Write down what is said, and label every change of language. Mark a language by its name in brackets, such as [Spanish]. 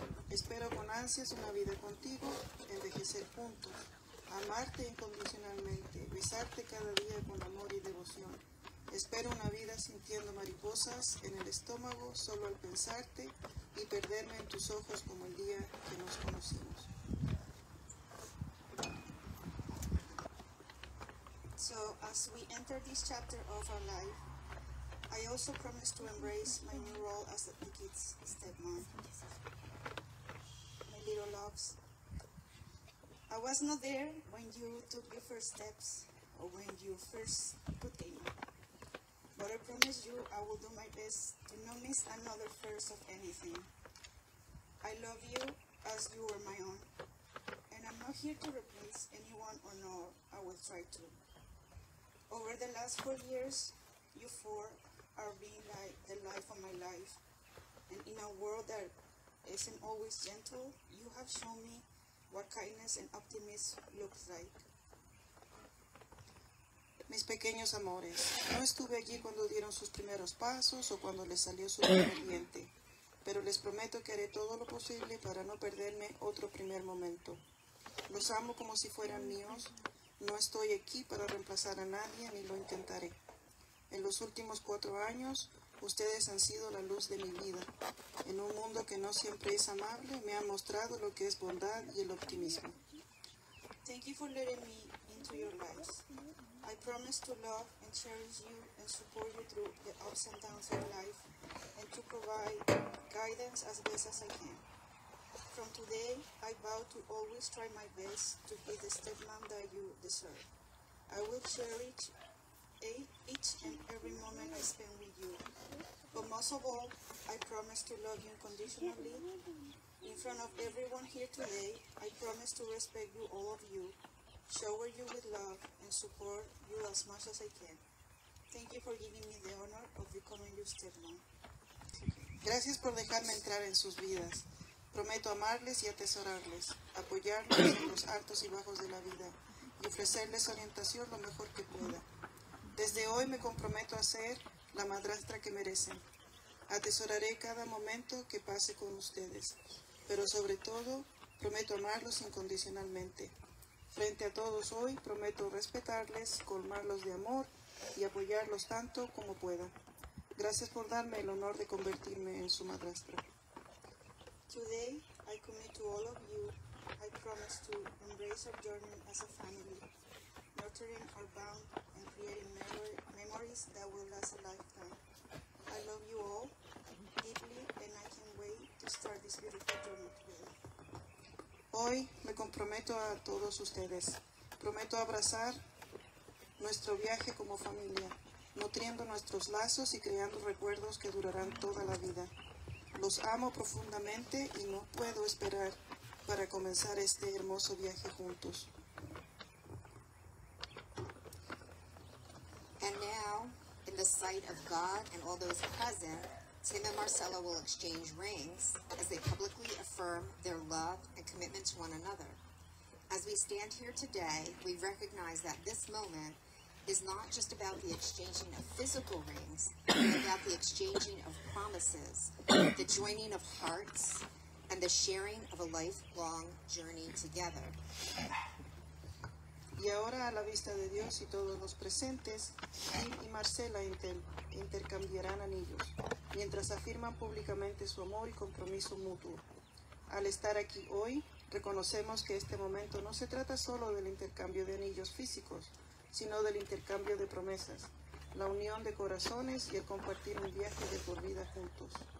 [Spanish] Espero con ansias una vida contigo, envejecer juntos, amarte incondicionalmente, besarte cada día con amor y devoción. Espero una vida sintiendo mariposas en el estómago solo al pensarte y perderme en tus ojos como el día que nos conocimos. [English] So, as we enter this chapter of our life, I also promise to embrace my new role as the kid's stepmom. My little loves, I was not there when you took your first steps or when you first put in. But I promise you I will do my best to not miss another first of anything. I love you as you are my own, and I'm not here to replace anyone or no, I will try to. Over the last 4 years, you four are being like the life of my life. And in a world that isn't always gentle, you have shown me what kindness and optimism looks like. [Spanish] Mis pequeños amores, no estuve allí cuando dieron sus primeros pasos o cuando les salió su primer diente, pero les prometo que haré todo lo posible para no perderme otro primer momento. Los amo como si fueran míos. No estoy aquí para reemplazar a nadie, ni lo intentaré. En los últimos 4 años, ustedes han sido la luz de mi vida. En un mundo que no siempre es amable, me han mostrado lo que es bondad y el optimismo. [English] Thank you for letting me into your lives. I promise to love and cherish you and support you through the ups and downs of life and to provide guidance as best as I can. From today, I vow to always try my best to be the stepmom that you deserve. I will cherish each and every moment I spend with you. But most of all, I promise to love you unconditionally, In front of everyone here today, I promise to respect you, all of you, shower you with love, and support you as much as I can. Thank you for giving me the honor of becoming your stepmom. [Spanish] Gracias por dejarme entrar en sus vidas. Prometo amarles y atesorarles, apoyarles en los altos y bajos de la vida y ofrecerles orientación lo mejor que pueda. Desde hoy me comprometo a ser la madrastra que merecen. Atesoraré cada momento que pase con ustedes, pero sobre todo prometo amarlos incondicionalmente. Frente a todos hoy prometo respetarles, colmarlos de amor y apoyarlos tanto como pueda. Gracias por darme el honor de convertirme en su madrastra. [English] Today, I commit to all of you, I promise to embrace our journey as a family, nurturing our bond and creating memories that will last a lifetime. I love you all deeply and I can't wait to start this beautiful journey together. [Spanish] Hoy me comprometo a todos ustedes. Prometo abrazar nuestro viaje como familia, nutriendo nuestros lazos y creando recuerdos que durarán toda la vida. Los amo profundamente y no puedo esperar para comenzar este hermoso viaje juntos. [English] And now, in the sight of God and all those present, Tim and Marcela will exchange rings as they publicly affirm their love and commitment to one another. As we stand here today, we recognize that this moment is not just about the exchanging of physical rings, but about the exchanging of promises, the joining of hearts, and the sharing of a lifelong journey together. [Spanish] Y ahora, a la vista de Dios y todos los presentes, Tim y Marcela intercambiarán anillos, mientras afirman públicamente su amor y compromiso mutuo. Al estar aquí hoy, reconocemos que este momento no se trata solo del intercambio de anillos físicos, sino del intercambio de promesas, la unión de corazones y el compartir un viaje de por vida juntos.